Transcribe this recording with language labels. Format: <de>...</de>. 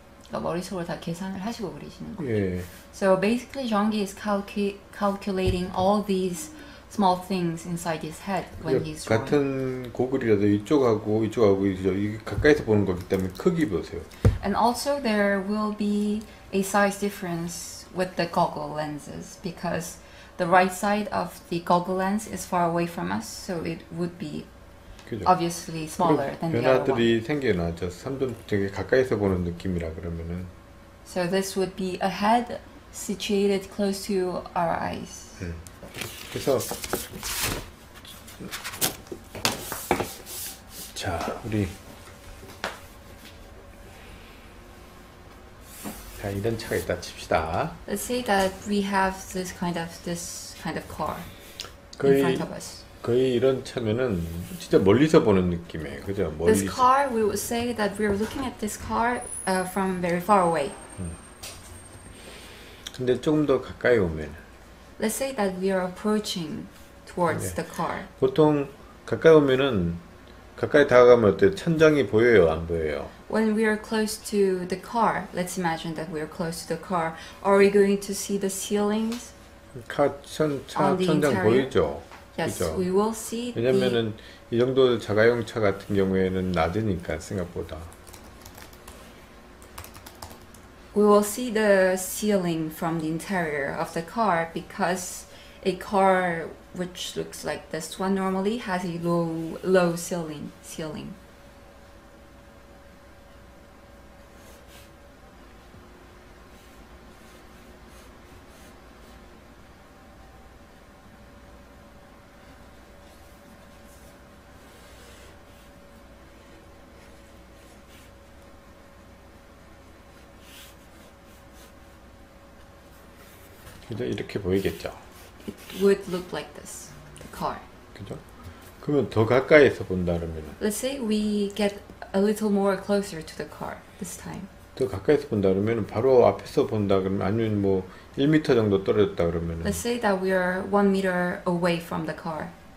<ko>머릿속으로 다 계산을 하시고 그리시는 거예요.</ko> <en>So basically, Zhonggi is calculating all these small things inside his head when he's drawing.</en> <ko>같은 고글이라도 이쪽하고 이제 가까이서 보는 거기 때문에 크기 보세요.</ko> <en>And also, there will be a size difference with the goggle lenses because the right side of the goggle lens is far away from us, so it would be</en> <ko>그죠.</ko> <en>obviously</en> <ko>그런</ko> <en>smaller than the other one.</en> <ko>변화들이 생겨나죠. 삼점 되게 가까이서 보는 느낌이라 그러면은.</ko> <en>So this would be a head situated close to our eyes.</en> <ko>그래서 자 우리 자 이런 차가 있다 칩시다.</ko> <en>Let's say that we have this kind of car in front of us.</en> <ko>거의 이런 차면은 진짜 멀리서 보는 느낌이에요. 그죠?</ko> <en>This car, we would say that we are looking at this car from very far away.</en> <ko>근데 조금 더 가까이 오면</ko> <en>Let's say that we are approaching towards 네. the car.</en> <ko>보통 가까이 오면은 가까이 다가가면 어때요? 천장이 보여요, 안 보여요?</ko> <en>When we are close to the car, let's imagine that we are close to the car. Are we going to see the ceilings?</en> <ko>천장</ko> <en>interior?</en> <ko>보이죠?</ko> <en>Yes, we will see.</en> <ko>왜냐면은 이 정도 자가용 차 같은 경우에는 낮으니까 생각보다.</ko> <en>We will see the ceiling from the interior of the car because a car which looks like this one normally has a low ceiling.</en> <ko>그죠? 이렇게 보이겠죠?</ko> <en>It would look like this, the car.</en> <ko>그죠? 그러면 더 가까이서 본다면은</ko> <en>Let's say we get a little more closer to the car this time.</en> <ko>더 가까이서 본다면은 바로 앞에서 본다 그러면 아니면 뭐 1m 정도 떨어졌다 그러면은</ko> <en>Let's say that we are 1m away from the car.</en>